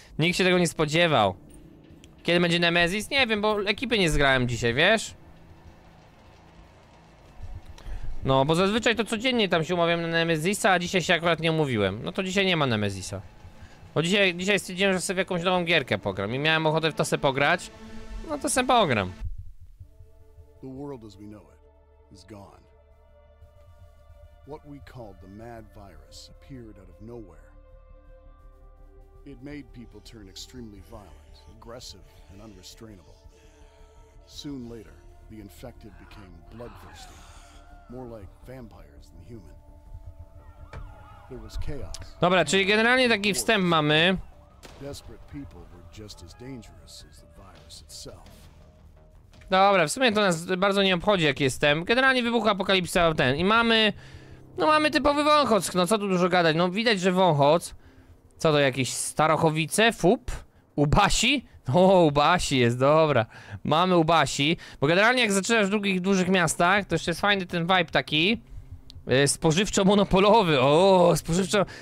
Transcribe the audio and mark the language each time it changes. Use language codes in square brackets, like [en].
[pl] Nikt się tego nie spodziewał. Kiedy będzie Nemesis? Nie wiem, bo ekipy nie zgrałem dzisiaj, wiesz? No, bo zazwyczaj to codziennie tam się umawiam na Nemezisa, a dzisiaj się akurat nie umówiłem. No to dzisiaj nie ma Nemezisa. Bo dzisiaj stwierdziłem, że sobie jakąś nową gierkę pogram i miałem ochotę w to se pograć. No to se pogram. [en] The world as we know it is gone. What we called the mad virus appeared out of nowhere. It made people turn extremely violent, aggressive and unrestrainable. Soon later, the infected became bloodthirsty. More like vampires than human. There was chaos. [pl] Dobra, czyli generalnie taki wstęp mamy. [en] Desperate people were just as dangerous as the virus itself. [pl] Dobra, w sumie to nas bardzo nie obchodzi, jaki jest wstęp. Generalnie wybuchła apokalipsa ten i mamy, no mamy typowy Wąchock. No co tu dużo gadać? No widać, że Wąchock. Co to jakieś Starachowice? Fup? Ubasi? O, Ubasi jest, dobra. Mamy Ubasi, bo generalnie jak zaczynasz w drugich dużych miastach, to jeszcze jest fajny ten vibe taki spożywczo-monopolowy, o, spożywczo.